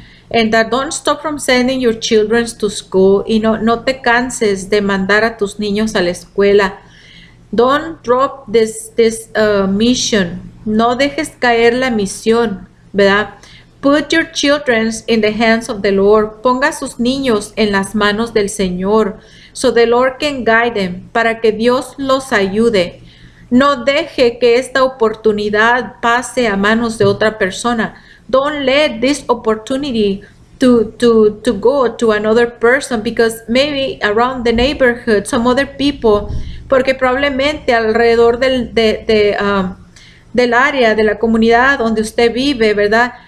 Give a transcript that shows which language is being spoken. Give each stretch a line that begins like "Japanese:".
English: And that don't stop from sending your children to school,
Spanish: y no te canses de mandar a tus niños a la escuela.
English: Don't drop this mission,
Spanish: no dejes caer la misión, ¿verdad?
English: Put your children in the hands of the Lord.
Spanish: Ponga sus niños en las manos del Señor.
English: So the Lord can guide them.
Spanish: Para que Dios los ayude. No deje que esta oportunidad pase a manos de otra persona.
English: Don't let this opportunity to go to another person. Because maybe around the neighborhood, some other people.
Spanish: Porque probablemente alrededor del área, de la comunidad donde usted vive, ¿verdad?